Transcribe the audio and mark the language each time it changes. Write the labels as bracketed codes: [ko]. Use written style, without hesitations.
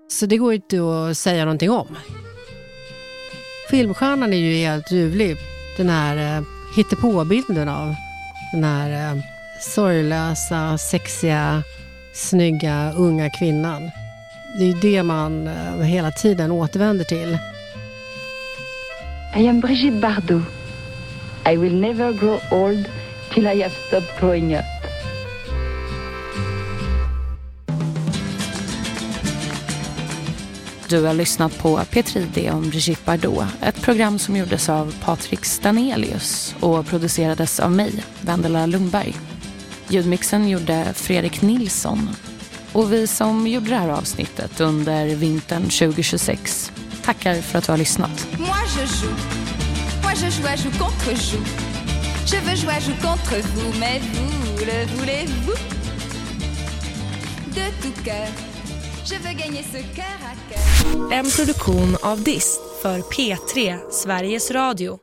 [sv] Så det går inte att säga någonting om. Filmstjärnan är ju helt ljuvlig. Den här hittepåbilden av den här sorglösa, sexiga, snygga, unga kvinnan. Det är det man hela tiden återvänder till. [en] I am Brigitte Bardot. I will never grow old till I have stopped growing up. [sv] Du har lyssnat på Petri D om Brigitte Bardot, ett program som gjordes av Patrik Stanelius och producerades av mig, Vendela Lundberg. Ljudmixen gjorde Fredrik Nilsson. Och vi som gjorde det här avsnittet under vintern 2026 tackar för att du har lyssnat. [fr] Moi je joue. Moi je joue, joue contre joue. Je veux jouer, joue contre vous, mais vous le voulez-vous? De tout cœur. Je veux gagner ce cœur à cœur. [sv] En produktion av Dis för P3 Sveriges Radio.